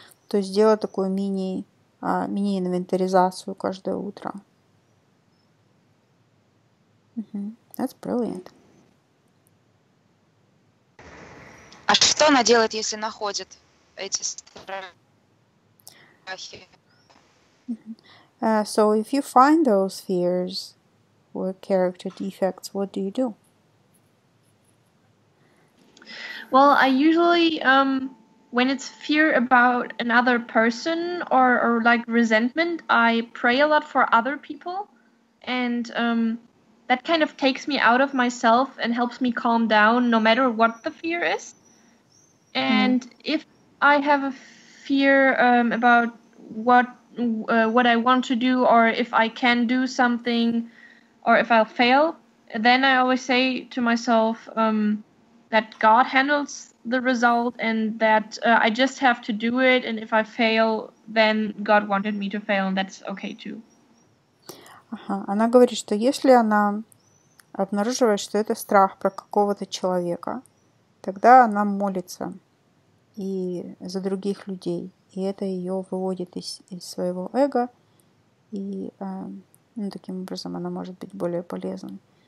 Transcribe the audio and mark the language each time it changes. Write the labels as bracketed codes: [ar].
[ru] То есть делает такую мини-инвентаризацию каждое утро. [en] Uh-huh. That's brilliant. [ru] А что она делает, если находит эти страхи? Uh-huh. [en] So if you find those fears or character defects, what do you do? Well, I usually, when it's fear about another person or like resentment, I pray a lot for other people. And that kind of takes me out of myself and helps me calm down no matter what the fear is. And if I have a fear about what I want to do, or if I can do something, or if I'll fail, then I always say to myself that God handles the result, and that I just have to do it. And if I fail, then God wanted me to fail, and that's okay too. Ага. [ru] Она говорит, что если она обнаруживает, что это страх про какого-то человека, тогда она молится и за других людей. И это ее выводит из своего эго. И таким образом она может быть более полезной.